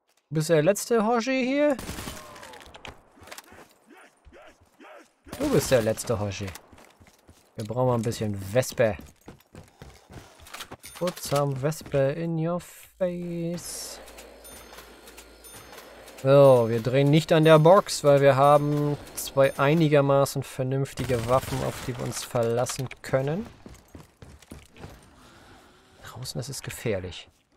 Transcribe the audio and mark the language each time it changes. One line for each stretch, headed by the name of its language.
German: Bist du der letzte Hoshi hier? Du bist der letzte Hoshi. Wir brauchen mal ein bisschen Wespe.
English: Put some Vesper in your face.
German: So, wir drehen nicht an der Box, weil wir haben zwei einigermaßen vernünftige Waffen, auf die wir uns verlassen können. Draußen, das ist gefährlich.